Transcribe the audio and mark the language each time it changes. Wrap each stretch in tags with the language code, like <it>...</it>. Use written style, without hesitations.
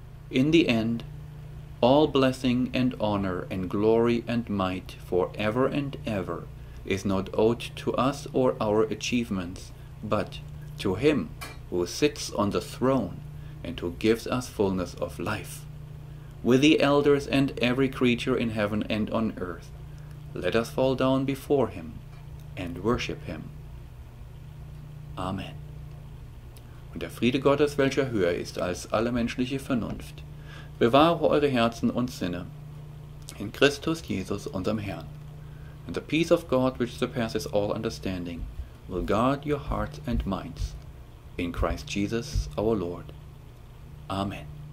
<en>In the end, all blessing and honor and glory and might forever and ever is not owed to us or our achievements, but to Him who sits on the throne and who gives us fullness of life. With the elders and every creature in heaven and on earth, let us fall down before Him and worship Him. Amen.</en> <de>Und der Friede Gottes, welcher höher ist als alle menschliche Vernunft, bewahre eure Herzen und Sinne in Christus Jesus, unserem Herrn.</de> <en>And the peace of God, which surpasses all understanding, will guard your hearts and minds in Christ Jesus, our Lord. Amen.</en>